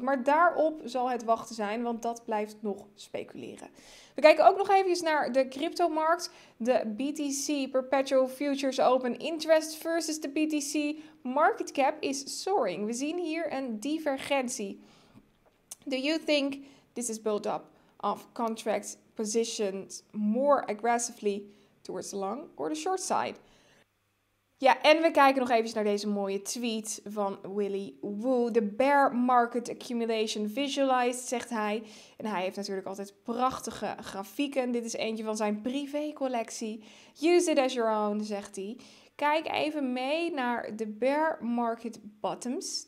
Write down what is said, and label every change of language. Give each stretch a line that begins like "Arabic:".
Dutch: Maar daarop zal het wachten zijn, want dat blijft nog speculeren. We kijken ook nog even naar de cryptomarkt. De BTC Perpetual Futures Open Interest versus de BTC Market Cap
English: is soaring.
Dutch: We zien hier een divergentie.
English: Do you think this is built up of contracts positioned more aggressively towards the long or the short side?
Dutch: Ja, en we kijken nog even naar deze mooie tweet van Willy Woo.
English: The bear market accumulation visualized,
Dutch: zegt hij. En hij heeft natuurlijk altijd prachtige grafieken. Dit is eentje van zijn privécollectie.
English: Use it as your own,
Dutch: zegt hij. Kijk even mee naar de bear market bottoms.